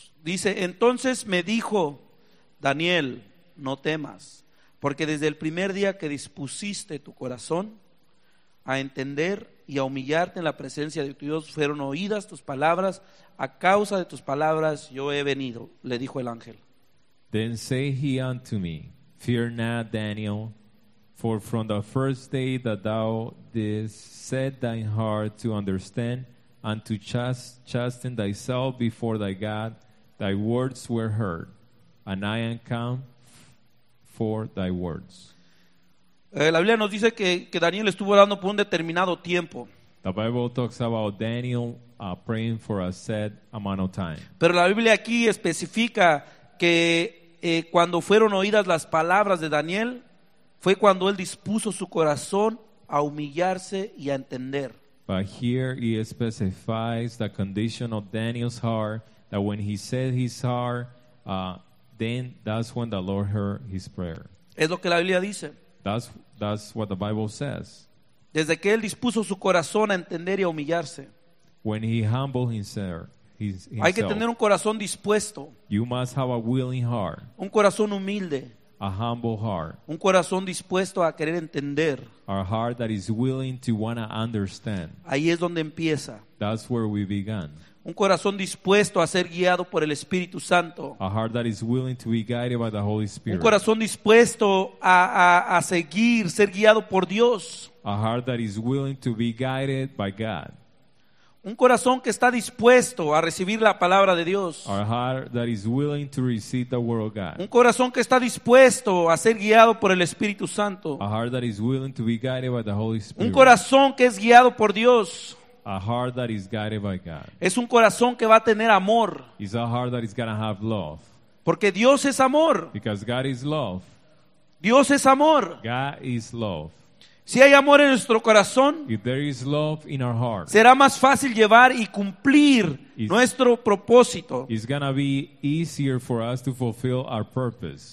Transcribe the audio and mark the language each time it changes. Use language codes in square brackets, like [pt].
[es] Dice, entonces me dijo, Daniel, no temas, porque desde el primer día que dispusiste tu corazón a entender y a humillarte en la presencia de tu Dios, fueron oídas tus palabras. A causa de tus palabras yo he venido, le dijo el ángel. [en] Then say he unto me, fear not, Daniel, for from the first day that thou didst set thine heart to understand and to chasten thyself before thy God, thy words were heard, and I am come for thy words. [es] La Biblia nos dice que Daniel estuvo orando por un determinado tiempo. [en] The Bible talks about Daniel praying for a set amount of time. [es] Pero la Biblia aquí especifica que cuando fueron oídas las palabras de Daniel, fue cuando él dispuso su corazón a humillarse y a entender. [en] But here he specifies the condition of Daniel's heart, that when he set his heart, then that's when the Lord heard his prayer. [es] Es lo que la Biblia dice. [en] That's what the Bible says. [es] Desde que él dispuso su corazón a entender y a humillarse. [en] When he humbled himself, himself. [es] Hay que tener un corazón dispuesto. [en] You must have a willing heart. [es] Un corazón humilde. [en] A humble heart. [es] Un corazón dispuesto a querer entender. [en] A heart that is willing to want to understand. [es] Ahí es donde empieza. [en] That's where we began. [es] Un corazón dispuesto a ser guiado por el Espíritu Santo. [en] A heart that is willing to be guided by the Holy Spirit. [es] Un corazón dispuesto a seguir, ser guiado por Dios. [en] A heart that is willing to be guided by God. [es] Un corazón que está dispuesto a recibir la palabra de Dios. [en] A heart that is willing to receive the word of God. [es] Un corazón que está dispuesto a ser guiado por el Espíritu Santo. [en] A heart that is willing to be guided by the Holy Spirit. [es] Un corazón que es guiado por Dios. [en] A heart that is guided by God. [es] Es un corazón que va a tener amor. [en] It's a heart that is going to have love. [es] Porque Dios es amor. [en] Because God is love. [es] Dios es amor. [en] God is love. [es] Si hay amor en nuestro corazón, [en] if there is love in our heart, [es] será más fácil llevar y cumplir nuestro propósito. [en] It's going to be easier for us to fulfill our purpose.